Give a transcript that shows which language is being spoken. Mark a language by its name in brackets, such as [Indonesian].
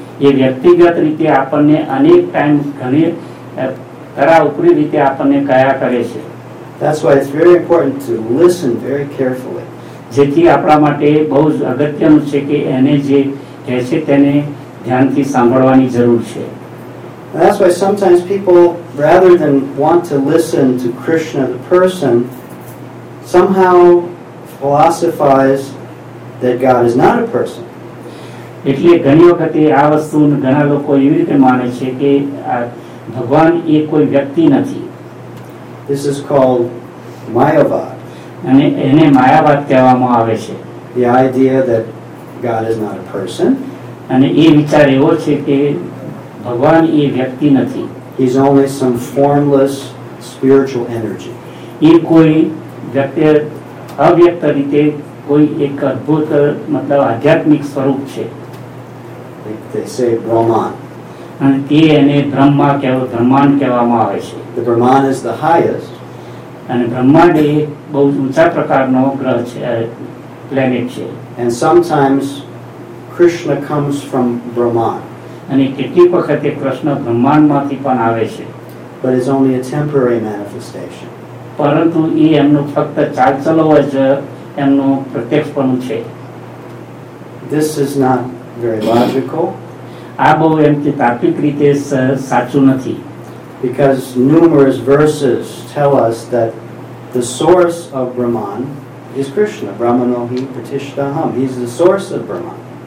[Gujarati] એ વ્યક્તિગત રીતે આપણને અનેક ટાઈમ ઘણી તરા ઉપરી રીતે આપણને કયા કરે છે. [English] That's why it's very important to listen very carefully. [Gujarati] જેથી આપણા માટે બહુ જ અગત્યનું છે કે એને જે કહે છે તેને ધ્યાનથી સાંભળવાની જરૂર છે. [English] That's why sometimes people, rather than want to listen to Krishna, the person, somehow philosophize that God is not a person. [Gujarati] એટલે ઘણી વખતે આ વસ્તુ ઘણા લોકો એવી રીતે માને છે કે ભગવાન એ કોઈ વ્યક્તિ નથી. [English] This is called Mayavad. [Gujarati] અને એને માયાવાદ કહેવામાં આવે છે. [English] The idea that God is not a person. [Gujarati] અને એ વિચાર એવો છે કે ભગવાન એ વ્યક્તિ નથી. [English] He is only some formless spiritual energy. [Gujarati] એ કોઈ વ્યક્તિ અવ્યક્ત રીતે કોઈ એક અદ્ભુત મતલબ આધ્યાત્મિક સ્વરૂપ છે. [English] They say Brahman. [Gujarati] અને તે એને બ્રહ્મા કહેવો બ્રહ્માંડ કહેવામાં આવે છે. [English] The Brahman is the highest. [Gujarati] અને બ્રહ્માંડ એ બહુ ઊંચા પ્રકારનો ગ્રહ છે, પ્લેનેટ છે. [English] And sometimes Krishna comes from Brahman. [Gujarati] અને કેટલીક વખતે કૃષ્ણ બ્રહ્માંડમાંથી પણ આવે છે. [English] But it's only a temporary manifestation. [Gujarati] પરંતુ એ એમનું ફક્ત ચાલચલો જ એમનું પ્રત્યક્ષપણું છે. [English] This is not very logical. [Gujarati] આ બહુ એમ કે તાર્કિક રીતે સાચું નથી. [English] Because numerous verses tell us that the source of Brahman is Krishna. [Sanskrit] Brahmano hi pratishtaham. [English] He is the source of Brahman.